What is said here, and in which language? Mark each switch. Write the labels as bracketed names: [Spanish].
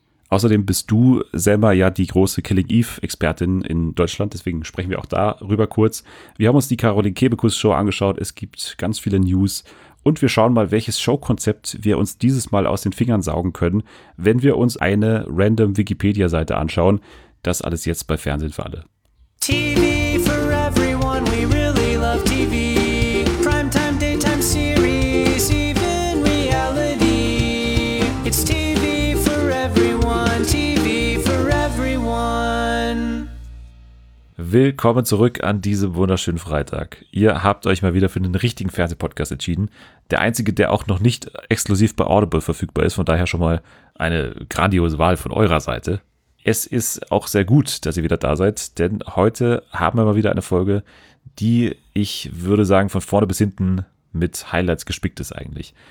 [German] Außerdem bist du selber ja die große Killing Eve-Expertin in Deutschland, deswegen sprechen wir auch darüber kurz. Wir haben uns die Caroline Kebekus-Show angeschaut, es gibt ganz viele News. Und wir schauen mal, welches Showkonzept wir uns dieses Mal aus den Fingern saugen können, wenn wir uns eine random Wikipedia-Seite anschauen. Das alles jetzt bei Fernsehen für alle. [English] TV for everyone, we really love TV. Primetime, daytime series, even reality. It's TV for everyone, TV for everyone. [German] Willkommen zurück an diesem wunderschönen Freitag. Ihr habt euch mal wieder für einen richtigen Fernsehpodcast entschieden. Der einzige, der auch noch nicht exklusiv bei Audible verfügbar ist, von daher schon mal eine grandiose Wahl von eurer Seite. Es ist auch sehr gut, dass ihr wieder da seid, denn heute haben wir mal wieder eine Folge, die, ich würde sagen, von vorne bis hinten mit Highlights gespickt ist eigentlich.